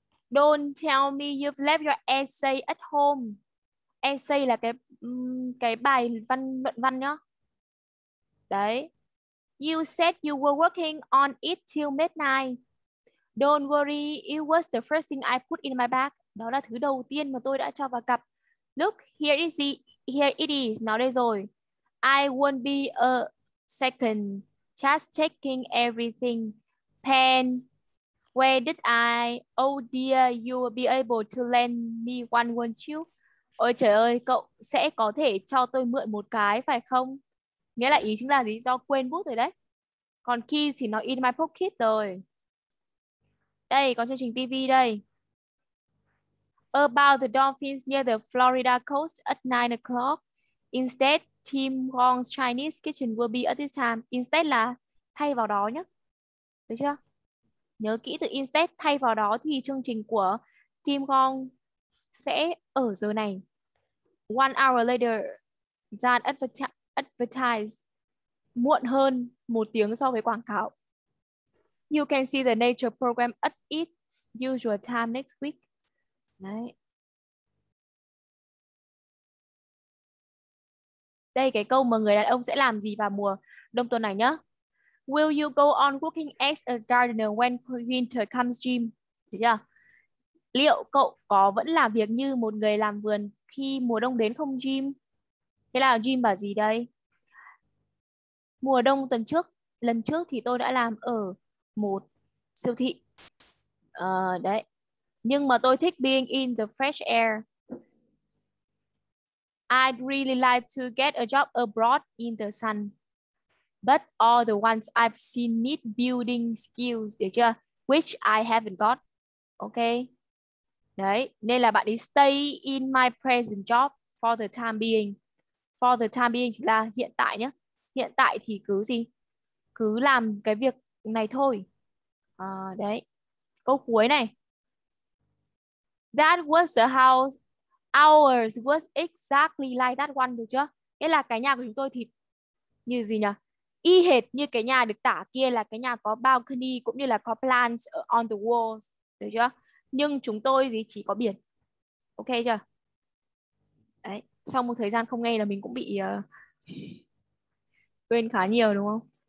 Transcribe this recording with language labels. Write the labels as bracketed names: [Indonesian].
[English] Don't tell me you've left your essay at home. [Vietnamese] Essay là cái bài văn luận văn nhá. Đấy. [English] You said you were working on it till midnight. Don't worry, it was the first thing I put in my bag. [Vietnamese] Đó là thứ đầu tiên mà tôi đã cho vào cặp. [English] Look, here it is. [Vietnamese] Nó đây rồi. [English] I won't be a second. Just checking everything. Pen. Where did I? Oh dear, you will be able to lend me one, won't you? [Vietnamese] Ôi trời ơi, cậu sẽ có thể cho tôi mượn một cái phải không? Nghĩa là ý chính là gì? Do quên bút rồi đấy. Còn keys thì nó [English] in my pocket [Vietnamese] rồi. Đây, có chương trình TV đây. [English] About the dolphins near the Florida coast at 9 o'clock. Instead, Tim Wong's Chinese kitchen will be at this time. [Vietnamese] Instead là thay vào đó nhé. Được chưa? Nhớ kỹ từ instead, thay vào đó thì chương trình của Tim Wong sẽ ở giờ này. [English] One hour later, than advertised. [Vietnamese] Muộn hơn một tiếng so với quảng cáo. [English] You can see the nature program at its usual time next week. [Vietnamese] Đấy. Đây cái câu mà người đàn ông sẽ làm gì vào mùa đông tuần này nhá. [English] Will you go on working as a gardener when winter comes, Jim? [Vietnamese] Được chưa? Liệu cậu có vẫn làm việc như một người làm vườn khi mùa đông đến không, Jim? Thế là Jim bảo gì đây? Mùa đông tuần trước, lần trước thì tôi đã làm ở một siêu thị. Đấy. Nhưng mà tôi thích [English] being in the fresh air. I'd really like to get a job abroad in the sun. But all the ones I've seen need building skills, [Vietnamese] được chưa? [English] Which I haven't got. Okay. [Vietnamese] Đấy, nên là bạn ấy [English] stay in my present job for the time being. [Vietnamese] For the time being là hiện tại nhé. Hiện tại thì cứ gì? Cứ làm cái việc này thôi. À, đấy. Câu cuối này. [English] That was the house. Ours was exactly like that one, [Vietnamese] được chưa? Nghĩa là cái nhà của chúng tôi thì như gì nhỉ? Y hệt như cái nhà được tả kia, là cái nhà có balcony cũng như là có [English] plants on the walls, [Vietnamese] được chưa? Nhưng chúng tôi thì chỉ có biển. Ok chưa? Đấy, sau một thời gian không nghe là mình cũng bị quên khá nhiều đúng không?